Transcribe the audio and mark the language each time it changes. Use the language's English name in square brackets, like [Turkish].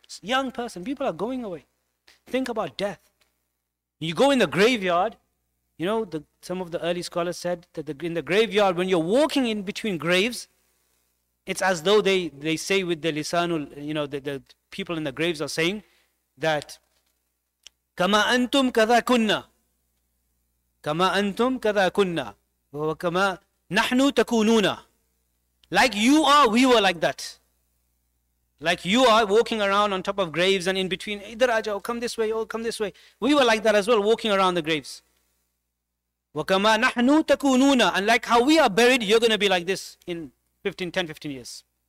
[English] Young person, people are going away. Think about death. You go in the graveyard, you know, some of the early scholars said that in the graveyard, when you're walking in between graves, it's as though they say with the lisanul, you know, the people in the graves are saying that, [Arabic] kama antum kada kunna. كما أنتم كذا كنا وكما نحن تكونون. [English] Like you are, we were like that. Like you are walking around on top of graves and in between. Idraja, oh, come this way, oh, come this way. We were like that as well, walking around the graves. [Arabic] وكما نحن تكونون. [English] And like how we are buried, you're going to be like this in 10, 15 years.